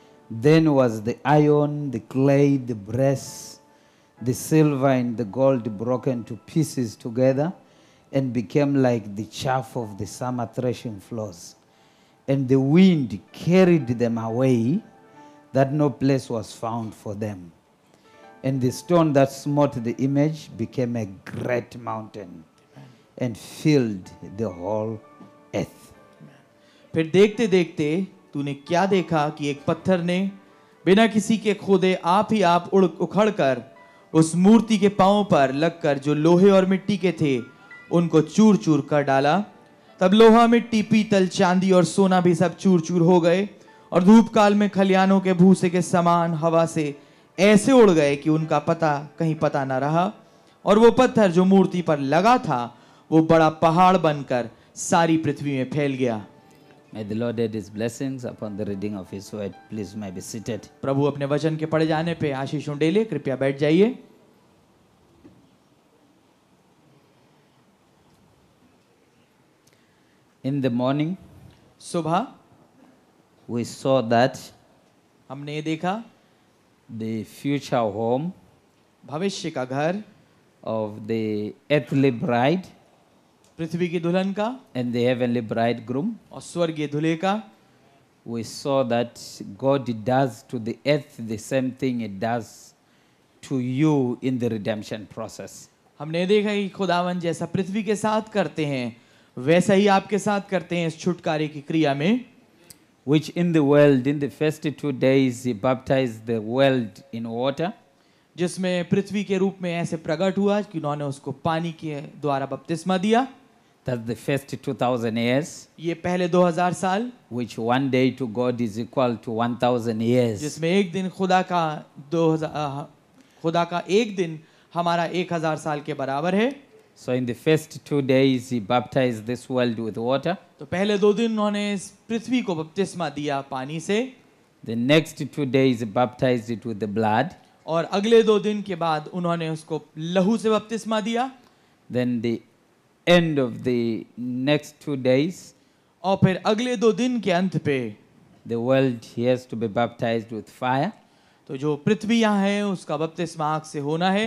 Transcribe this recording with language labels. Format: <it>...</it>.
<en>Then was the iron, the clay, the brass, the silver, and the gold broken to pieces together, and became like the chaff of the summer threshing floors. And the wind carried them away, that no place was found for them. And the stone that smote the image became a great mountain and filled the whole earth.</en> <hi>फिर देखते देखते तूने क्या देखा कि एक पत्थर ने बिना किसी के खोदे आप ही आप उखड़कर उस मूर्ति के पांव पर लगकर जो लोहे और मिट्टी के थे उनको चूर चूर कर डाला। तब लोहा मिट्टी पीतल चांदी और सोना भी सब चूर चूर हो गए और धूप काल में खलियानों के भूसे के समान हवा से ऐसे उड़ गए कि उनका पता कहीं पता ना रहा। और वो पत्थर जो मूर्ति पर लगा था वो बड़ा पहाड़ बनकर सारी पृथ्वी में फैल गया।</hi> <en>May the Lord add his blessings upon the reading of his word. Please may be seated.</en> <hi>प्रभु अपने वचन के पढ़े जाने पे आशीषों दे ले, कृपया बैठ जाइए।</hi> <en>In the morning,</en> <hi>सुबह,</hi> <en>we saw that</en> <hi>हमने ये देखा,</hi> <en>the future home,</en> <hi>भविष्य का घर,</hi> <en>of the earthly bride,</en> <hi>पृथ्वी की दुल्हन का,</hi> <en>and the heavenly bridegroom,</en> <hi>और स्वर्गीय दूल्हे का,</hi> <en>we saw that God does to the earth the same thing it does to you in the redemption process.</en> <hi>हमने देखा कि खुदावन जैसा पृथ्वी के साथ करते हैं वैसा ही आपके साथ करते हैं इस छुटकारे की क्रिया में।</hi> <en>Which in the world in the first 2 days he baptized the world in water.</en> <hi>जिसमें पृथ्वी के रूप में ऐसे प्रकट हुआ कि उन्होंने उसको पानी के द्वारा बपतिस्मा दिया।</hi> <en>That the first 2000 years.</en> <hi>ये पहले 2000 साल।</hi> <en>Which one day to God is equal to 1000 years.</en> <hi>जिसमें एक दिन खुदा का एक दिन हमारा 1000 साल के बराबर है।</hi> <en>So in the first 2 days he baptized this world with water.</en> <hi>तो पहले दो दिन उन्होंने पृथ्वी को बपतिस्मा दिया पानी से।</hi> <en>The next 2 days he baptized it with the blood.</en> <hi>और अगले दो दिन के बाद उन्होंने उसको लहू से बपतिस्मा दिया।</hi> <en>Then the end of the next 2 days.</en> <hi>और फिर अगले दो दिन के अंत पे</hi> <en>the world has to be baptized with fire.</en> <hi>तो जो पृथ्वी यहाँ है उसका बपतिस्मा आग से होना है।</hi>